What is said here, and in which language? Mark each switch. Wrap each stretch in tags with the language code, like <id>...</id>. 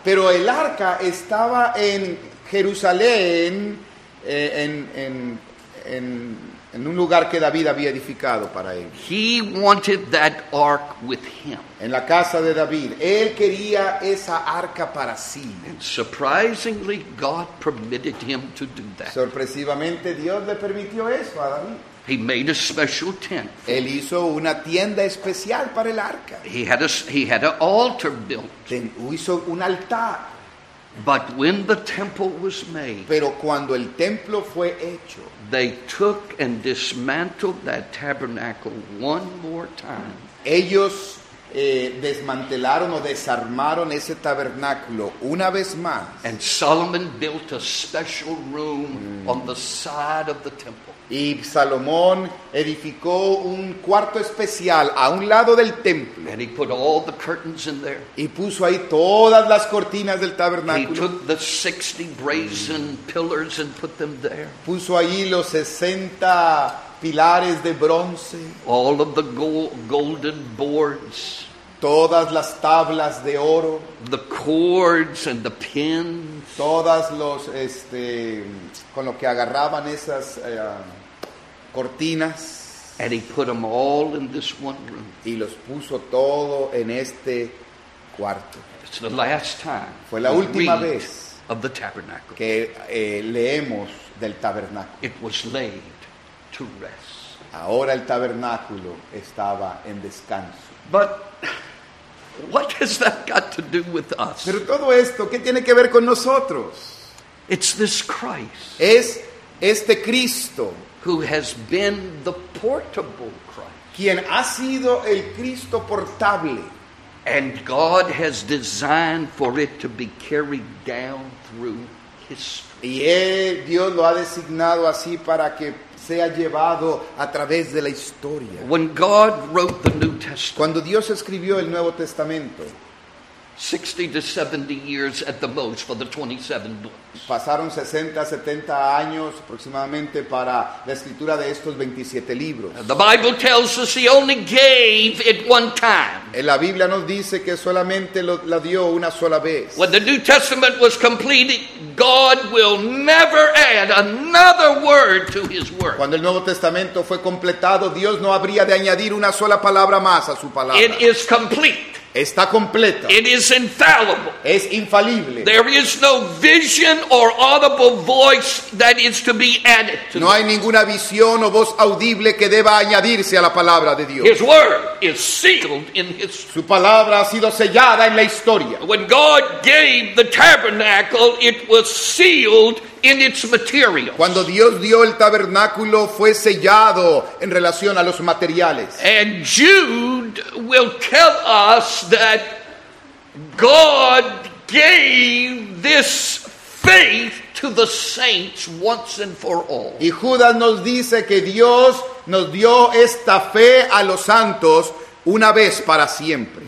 <es>Pero el arca estaba en Jerusalén, en un lugar que David había edificado para él.</es> <en>He wanted that ark with him.</en> <es>En la casa de David, él quería esa arca para sí.</es> <en>And surprisingly, God permitted him to do that.</en> <es>Sorpresivamente, Dios le permitió eso a David.</es> <en>He made a special tent.</en> <es>Él hizo una tienda especial para el arca.</es> <en>He had an altar built. Then</en> <es>hizo un altar.</es> <en>But when the temple was made,</en> <es>pero cuando el templo fue hecho,</es> <en>they took and dismantled that tabernacle one more time.</en> <es>Ellos desmantelaron o desarmaron ese tabernáculo una vez más.</es> <en>And Solomon built a special room on the side of the temple.</en> <es>Y Salomón edificó un cuarto especial a un lado del templo.</es> <en>And he put all the curtains in there.</en> <es>Y puso ahí todas las cortinas del tabernáculo.</es> <en>He took the 60 brazen pillars and put them there.</en> <es>Puso ahí los 60 pilares de bronce.</es> <en>All of the golden boards.</en> <es>Todas las tablas de oro.</es> <en>The cords and the pins.</en> <es>Todas los con lo que agarraban esas cortinas.</es> <en>And he put them all in this one room.</en> <es>Y los puso todo en este cuarto.</es> <en>It's the last time.</en> <es>Fue la última vez</es> <en>of the tabernacle.</en> <es>Que leemos del tabernáculo.</es> <en>It was laid to rest.</en> <es>Ahora el tabernáculo estaba en descanso.</es> <en>But what has that got to do with us?</en> <es>Pero todo esto, ¿qué tiene que ver con nosotros?</es> <en>It's this Christ.</en> <es>Es este Cristo.</es> <en>Who has been the portable Christ.</en> <es>Quien ha sido el Cristo portable.</es> <en>And God has designed for it to be carried down through history.</en> <es>Y Dios lo ha designado así para que sea llevado a través de la historia.</es> <en>When God wrote the New Testament,</en> <es>cuando Dios escribió el Nuevo Testamento,</es> <en>60 to 70 years at the most for the 27 books.</en> <es>Pasaron 60, 70 años aproximadamente para la escritura de estos 27 libros.</es> <en>The Bible tells us he only gave it one time.</en> <es>La Biblia nos dice que solamente la dio una sola vez.</es> <en>When the New Testament was completed, God will never add another word to his word.</en> <es>Cuando el Nuevo Testamento fue completado, Dios no habría de añadir una sola palabra más a su palabra.</es> <en>It is complete.</en> <es>Está completa.</es> <en>It is infallible.</en> <es>Es infalible.</es> <en>There is no vision or audible voice that is to be added to.</en> <es>No hay ninguna visión o voz audible que deba añadirse a la palabra de Dios.</es> <en>His word is sealed in his.</en> <es>Su palabra ha sido sellada en la historia.</es> <en>When God gave the tabernacle, it was sealed in its materials.</en> <es>Cuando Dios dio el tabernáculo, fue sellado en relación a los materiales.</es> <en>And Jude will tell us that God gave this faith to the saints once and for all.</en> <es>Y Judas nos dice que Dios nos dio esta fe a los santos una vez para siempre.</es>